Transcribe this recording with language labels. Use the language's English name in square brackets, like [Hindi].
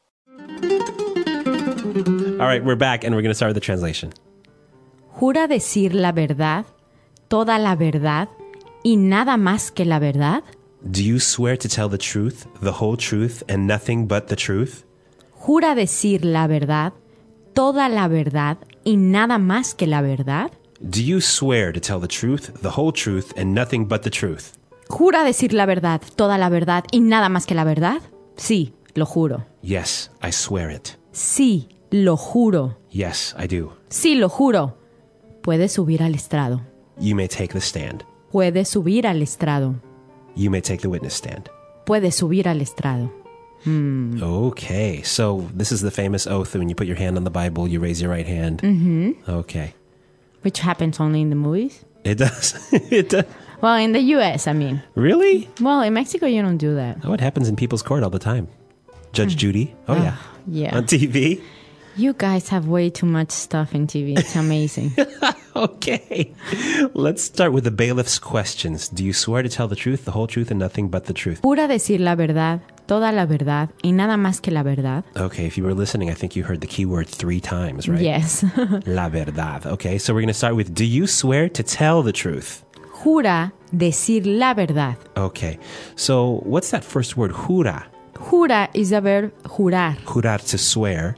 [English] All right, we're back and we're going to start with the translation. [Spanish] ¿Jura decir la verdad, toda la verdad y nada más que la verdad? [English] Do you swear to tell the truth, the whole truth and nothing but the truth? [Spanish] ¿Jura decir la verdad, toda la verdad y nada más que la verdad? [English] Do you swear to tell the truth, the whole truth and nothing but the truth? [Spanish] ¿Jura decir la verdad, toda la verdad y nada más que la verdad? Sí, lo juro. [English] Yes, I swear it. [Spanish] Sí, lo juro. [English] Yes, I do. [Spanish] Sí, lo juro. Puedes subir al estrado. [English] You may take the stand. [Spanish] Puedes subir al estrado. [English] You may take the witness stand. [Spanish] Puedes subir al estrado. [English] Okay, so this is the famous oath. When you put your hand on the Bible, you raise your right hand. Mm-hmm. Okay. Which happens only in the movies. It does. Well, in the U.S., I mean. Really? Well, in Mexico, you don't do that. Oh, it happens in people's court all the time. Judge Judy. Oh, yeah. On TV. You guys have way too much stuff in TV. It's amazing. Okay. Let's start with the bailiff's questions. Do you swear to tell the truth, the whole truth, and nothing but the truth? [Spanish] ¿Jura decir la verdad, toda la verdad, y nada más que la verdad? [English] Okay, if you were listening, I think you heard the key word three times, right? Yes. [Spanish] La verdad. [English] Okay, so we're going to start with, do you swear to tell the truth? [Spanish] ¿Jura decir la verdad? [English] Okay, so what's that first word, jura? Jura is a verb, jurar. Jurar, to swear.